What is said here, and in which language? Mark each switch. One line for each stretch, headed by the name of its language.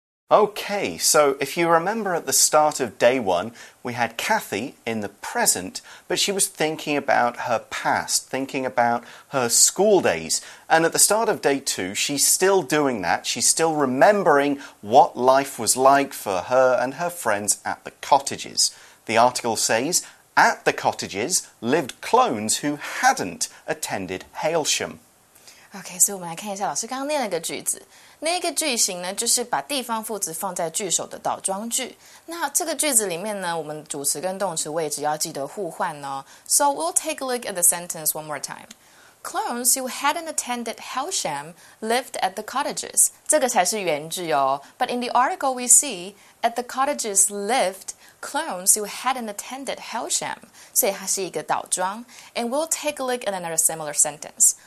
English: Okay, so if you remember at the start of day one, we had Kathy in the present, but she was thinking about her past, thinking about her school days. And at the start of day two, she's still doing that. She's still remembering what life was like for her and her friends at the cottages. The article says, at the cottages lived clones who hadn't attended Hailsham.
Chinese: Okay, 所以我们来看一下老师刚刚念那个句子。那个句型呢，就是把地方副词放在句首的倒装句。那这个句子里面呢，我们主词跟动词位置要记得互换哦。
English: So we'll take a look at the sentence one more time. Clones who hadn't attended Hailsham lived at the cottages.
Chinese: 这个才是原句哦。
English: But in the article we see, at the cottages lived... Clones who hadn't attended Hailsham.
Chinese: 所以它是一个倒装。
English: And we'll take a look at another similar sentence.